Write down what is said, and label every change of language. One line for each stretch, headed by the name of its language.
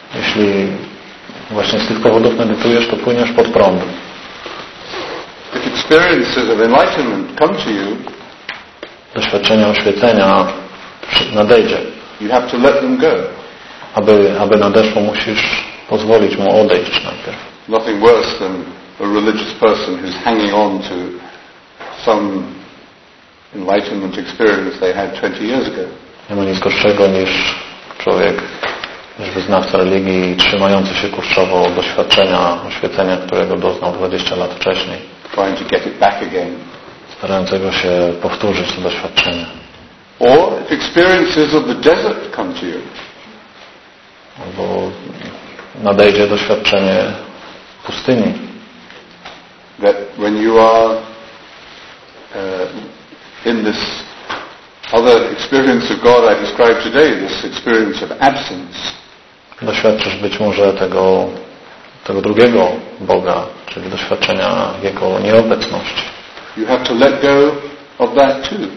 Polish: Jeśli właśnie z tych powodów medytujesz, to płyniesz pod prąd.
English: If experiences of enlightenment come to you,
Polish: doświadczenia oświecenia nadejdzie.
English: You have to let them go.
Polish: Aby nadeszło, musisz pozwolić mu odejść najpierw.
English: Nothing worse than a religious person who's hanging on to some enlightenment experience they had 20 years ago.
Polish: Nie ma nic gorszego niż człowiek, niż wyznawca religii, trzymający się kurczowo doświadczenia oświecenia, którego doznał 20 lat wcześniej.
English: Trying to get it back again.
Polish: Starającego się powtórzyć to doświadczenie.
English: Or if experiences of the desert come to you.
Polish: Albo nadejdzie doświadczenie pustyni.
English: That when you are in this other experience of God I described today, this experience of absence.
Polish: Doświadczysz być może tego drugiego Boga, czyli doświadczenia jego nieobecności.
English: You have to let go of that too.